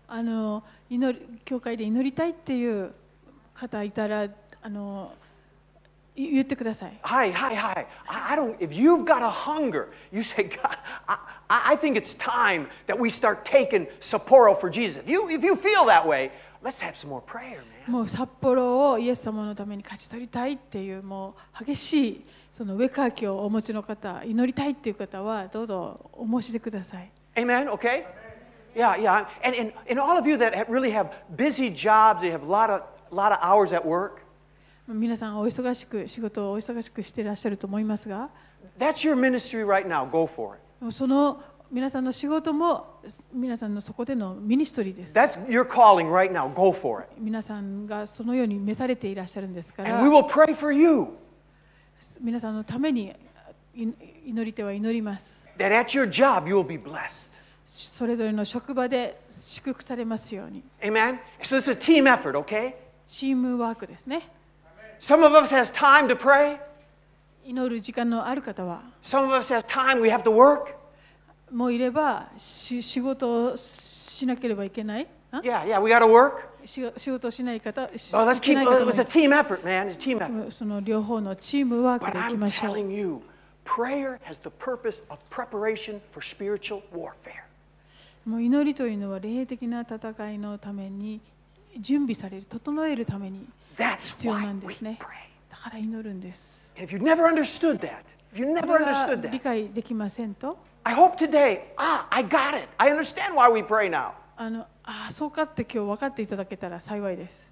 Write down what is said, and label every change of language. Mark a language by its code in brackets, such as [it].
[ja] あの祈り教会で祈りたいっていう方いたらあの言ってください。はいはいはい。 [en] If you've got a hunger, you say God. I think it's time that we start taking Sapporo for Jesus. If you feel that way, let's have some more prayer, man. [ja] もう札幌をイエス様のために勝ち取りたいっていうもう激しいその上書きをお持ちの方、祈りたいっていう方はどうぞお申し出ください。 [en] Amen. Okay. Yeah, yeah. And all of you that really have busy jobs, you have a lot of hours at work. [ja] 皆さんお忙しく仕事をお忙しくしていらっしゃると思いますが、 [en] That's your ministry right now. Go for it. [ja] その皆さんの仕事も皆さんのそこでのミニストリーです。 [en] That's your calling right now. Go for it. [ja] 皆さんがそのように召されていらっしゃるんですから。 [en] And we will pray for you. [ja] 皆さんのために祈り手は祈ります。 [en] That at your job you will be blessed. [ja] それぞれの職場で祝福されますように。 [en] Amen. So it's a team effort, okay? [ja] チームワークですね。 [en] Some of us has time to pray. [ja] 祈る時間のある方は、 [en] Some of us have time, we have to work. [ja] もういれば仕事をしなければいけない。 [en] Yeah, yeah, we gotta work. [ja] 仕事をしない方、 [en] Oh, let's keep. It was a team effort, man. It's a team effort. [ja] その両方のチームワークでいきましょう。 [en] But I'm telling you, prayer has the purpose of preparation for spiritual warfare. [ja] もう祈りというのは霊的な戦いのために準備される、整えるために必要なんですね。だから祈るんです。 [en] If you never understood that, if you never understood that, [ja] 理解できませんと? [en] I hope today, I got it. I understand why we pray now. [ja] あの、ああ、そうかって今日分かっていただけたら幸いです。